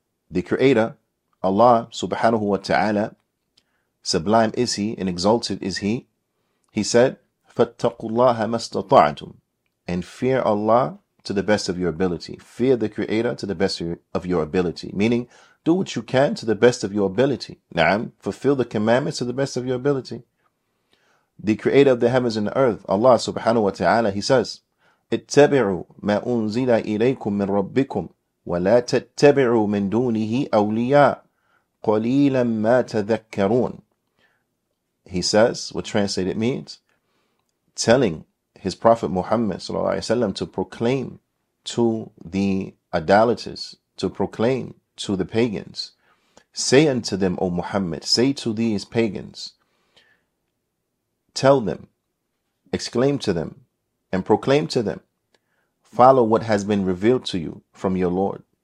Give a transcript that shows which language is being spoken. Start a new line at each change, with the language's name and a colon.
English: The Creator, Allah subhanahu wa ta'ala, sublime is He and exalted is He. He said,
Arabic: فَاتَّقُوا اللَّهَ مَا اسْتَطَعْتُمْ,
English: and fear Allah to the best of your ability. Fear the Creator to the best of your ability. Meaning, do what you can to the best of your ability. Na'am, fulfill the commandments to the best of your ability. The Creator of the heavens and the earth, Allah subhanahu wa ta'ala, He says,
Arabic: اتبعوا ما أنزل إليكم من ربكم ولا تتبعوا من دونه أولياء قليلا ما تذكرون.
English: He says, what translated means, telling His Prophet Muhammad sallallahu alaihi wasallam to proclaim to the idolaters, to proclaim to the pagans, say unto them, O Muhammad, say to these pagans, tell them, exclaim to them, and proclaim to them, follow what has been revealed to you from your Lord.